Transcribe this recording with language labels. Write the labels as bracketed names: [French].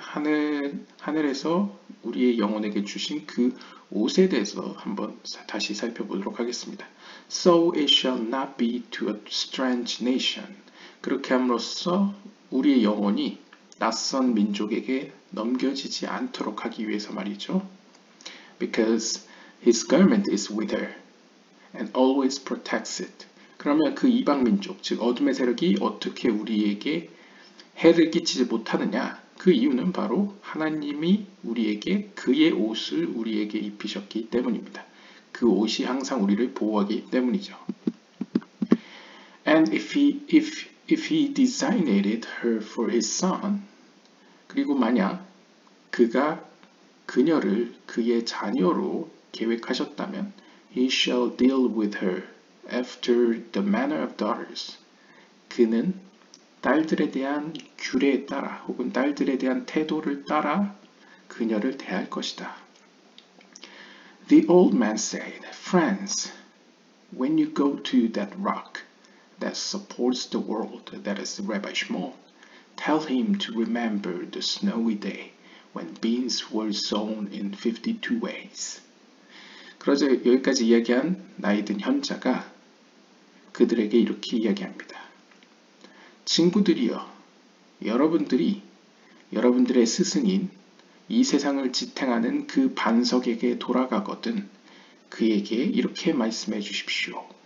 [Korean] 하늘에서 우리의 영혼에게 주신 그 옷에 대해서 한번 다시 살펴보도록 하겠습니다. [English] So it shall not be to a strange nation. [Korean] 그렇게 함으로써 우리의 영혼이 낯선 민족에게 넘겨지지 않도록 하기 위해서 말이죠. Because [English] His garment is withered and always protects it. [Korean] 그러면 그 이방 민족, 즉 어둠의 세력이 어떻게 우리에게 해를 끼치지 못하느냐? 그 이유는 바로 하나님이 우리에게 그의 옷을 우리에게 입히셨기 때문입니다. 그 옷이 항상 우리를 보호하기 때문이죠. [English] And if he designated her for his son, [Korean] 그리고 만약 그가 그녀를 그의 자녀로 계획하셨다면, [English] he shall deal with her after the manner of daughters. [Korean] 그는 딸들에 대한 규례에 따라 혹은 딸들에 대한 태도를 따라 그녀를 대할 것이다. [English] The old man said, Friends, when you go to that rock that supports the world, that is Rabbi Shmuel, tell him to remember the snowy day when beans were sown in 52 ways. [Korean] 그러자 여기까지 이야기한 나이든 현자가 그들에게 이렇게 이야기합니다. 친구들이여, 여러분들이 여러분들의 스승인 이 세상을 지탱하는 그 반석에게 돌아가거든 그에게 이렇게 말씀해 주십시오.